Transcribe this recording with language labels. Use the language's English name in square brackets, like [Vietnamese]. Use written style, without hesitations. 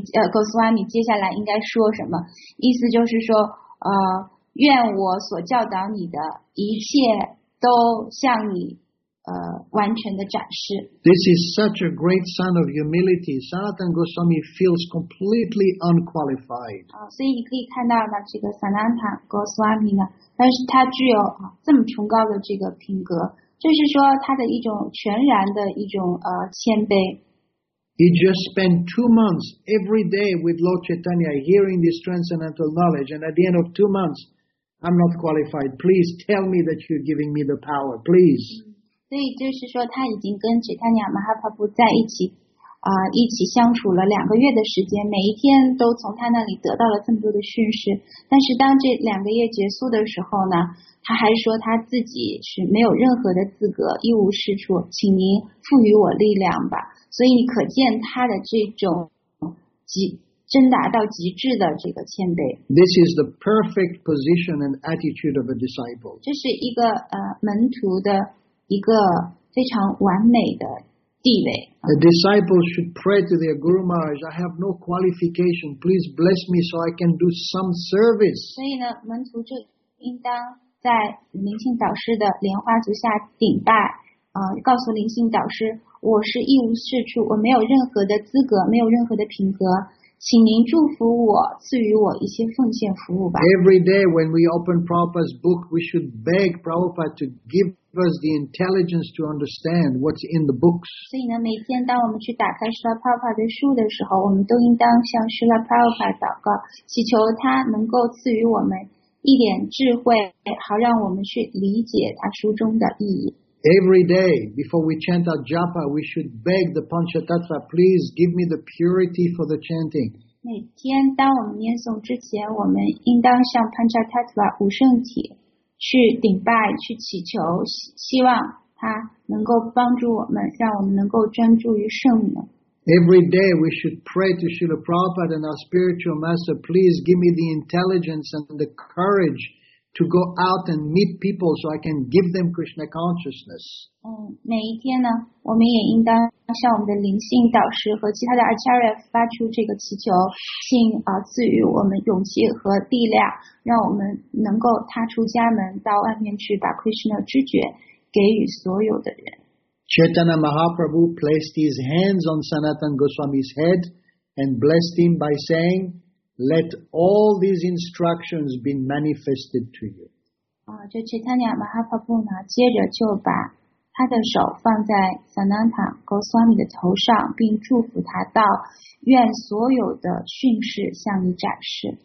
[Chinese] Goswami 接下来应该说什么，意思就是说愿我所教导你的一切都向你完全的展示。 [English] This is such a great sign of humility. Sanatana Goswami feels completely unqualified. [Chinese] 所以你可以看到呢，这个 Sanatana Goswami 呢，但是他具有这么崇高的这个品格，就是说他的一种全然的一种谦卑。 [English] He just spent 2 months every day with Lord Chaitanya hearing this transcendental knowledge. And at the end of 2 months, I'm not qualified. Please tell me that you're giving me the power. Please. [Chinese] 所以就是说他已经跟 Chaitanya Mahaprabhu 在一起一起相处了两个月的时间，每一天都从他那里得到了这么多的训示。但是当这两个月结束的时候呢，他还说他自己是没有任何的资格，一无是处，请您赋予我力量吧。所以你可见他的这种挣扎到极致的这个谦卑。 [English] This is the perfect position and attitude of a disciple. [Chinese] 这是一个门徒的一个非常完美的地位。 [English] A disciple should pray to their Guru Maharaj, I have no qualification, please bless me so I can do some service. [Chinese] 所以呢，门徒就应当在灵性导师的莲花足下顶拜，告诉灵性导师我是一无是处，我没有任何的资格，没有任何的品格，请您祝福我，赐予我一些奉献服务吧。 [English] Every day when we open Prabhupada's book, we should beg Prabhupada to give us the intelligence to understand what's in the books. [Chinese] 所以呢，每天当我们去打开Srila Prabhupada的书的时候，我们都应当向Srila Prabhupada祷告，祈求他能够赐予我们一点智慧，好让我们去理解他书中的意义。 [English] Every day before we chant our japa, we should beg the Panchatattva, please give me the purity for the chanting. [Chinese] 每天当我们念诵之前，我们应当向 Panchatattva 五圣体去顶拜，去祈求，希望他能够帮助我们，让我们能够专注于圣门。 [English] Every day we should pray to Srila Prabhupada and our spiritual master, please give me the intelligence and the courage to go out and meet people so I can give them Krishna consciousness. [Chinese] 每一天呢，我们也应当向我们的灵性导师和其他的 Acharya 发出这个祈求，请赐予我们勇气和力量，让我们能够踏出家门，到外面去把 Krishna 知觉给予所有的人。 [English] Chaitanya Mahaprabhu placed his hands on Sanatan Goswami's head and blessed him by saying, "Let all these instructions be manifested to you." [Chinese] Chaitanya Mahaprabhu 呢，接着就把他的手放在 Sananta Goswami 的头上，并祝福他道，愿所有的训示向你展示。